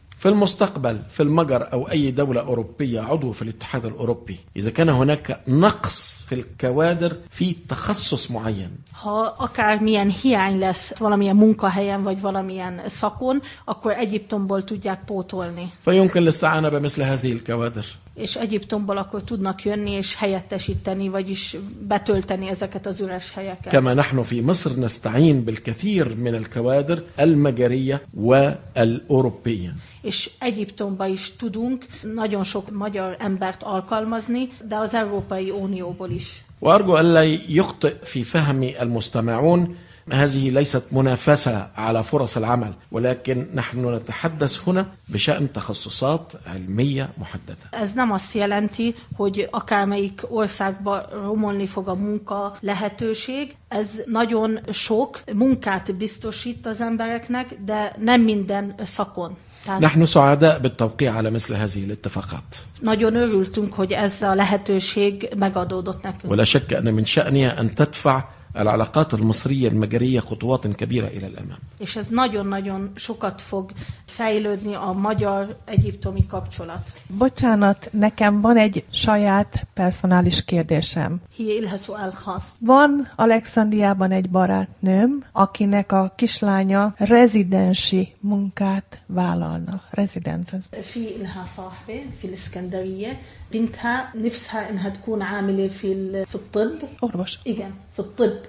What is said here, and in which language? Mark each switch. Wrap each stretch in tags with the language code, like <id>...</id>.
<ar>في المستقبل في المجر أو أي دولة أوروبية عضو في الاتحاد الأوروبي إذا كان هناك نقص في الكوادر في تخصص معين. ها أكارمين هي عينلس ولمين مونكا هين وج ولمين ساكون أكو إيجيبتومبول تودياك بوتولني. فيمكن الاستعانة بمثل هذه الكوادر.</ar> <hu>És Egyiptomból akkor tudnak jönni és helyettesíteni, vagyis betölteni ezeket az üres helyeket.</hu> <ar>كما نحن في مصر نستعين بالكثير من الكوادر المجرية والأوروبية.</ar> <hu>És Egyiptomban is tudunk nagyon sok magyar embert alkalmazni, de az Európai Unióból is.</hu> <ar>وأرجو ألا يخطئ في فهم المستمعون هذه ليست منافسة على فرص العمل ولكن نحن نتحدث هنا بشأن تخصصات علمية محددة.</ar> <hu>Ez nem azt jelenti, hogy akármelyik országba romolni fog a munka lehetőség. Ez nagyon sok munkát biztosít az embereknek, de nem minden szakon.</hu> <ar>نحن سعداء بالتوقيع على مثل هذه الاتفاقات.</ar> <hu>Nagyon örültünk, hogy ez a lehetőség megadódott nekünk.</hu> <ar>ولا شك أن من شأنها أن تدفع العلاقات المصرية المجرية خطوات كبيرة إلى الأمام.</ar> <hu>És ez nagyon-nagyon sokat fog fejlődni a magyar-egyiptomi kapcsolat. Bocsánat, nekem van egy saját personális kérdésem. Van Alexandriában egy barátnőm, akinek a kislánya rezidensi munkát vállalna. Rezidens.</hu> <ar>في إلها صاحبة في الإسكندرية بنتها نفسها إنها تكون عاملة في الطب. أورباش.</ar> <hu>Igen,</hu> <ar>في الطب.</ar>